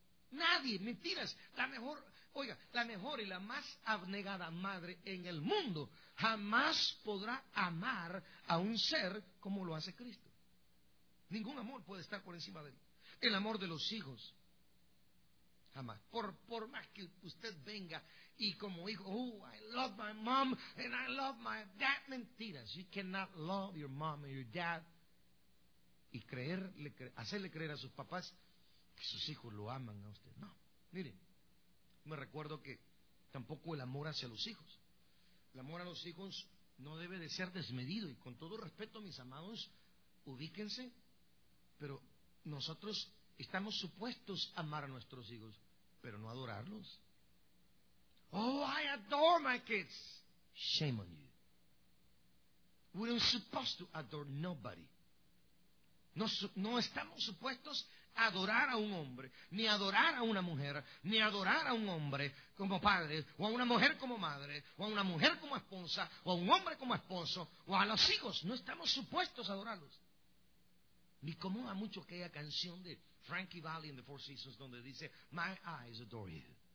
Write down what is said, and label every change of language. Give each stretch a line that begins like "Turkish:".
Spanish: Nadie, mentiras. La mejor, oiga, la mejor y la más abnegada madre en el mundo jamás podrá amar a un ser como lo hace Cristo. Ningún amor puede estar por encima de él. El amor de los hijos, jamás. Por más que usted venga y como hijo,
English: I love my mom and I love my dad.
Spanish: Mentiras.
English: You cannot love your mom and your dad.
Spanish: Y hacerle creer a sus papás que sus hijos lo aman a usted. No. Miren, me recuerdo que tampoco el amor hacia los hijos. El amor a los hijos no debe de ser desmedido. Y con todo respeto, mis amados, ubíquense. Pero nosotros estamos supuestos a amar a nuestros hijos, pero no adorarlos.
English: Oh, I adore my kids. Shame on you. We're not supposed to adore nobody.
Spanish: No estamos supuestos a adorar a un hombre, ni adorar a una mujer, ni adorar a un hombre como padre, o a una mujer como madre, o a una mujer como esposa, o a un hombre como esposo, o a los hijos. No estamos supuestos a adorarlos. Ni como a mucho aquella canción de Frankie Valli en The Four Seasons, donde dice,
English: my eyes adore you.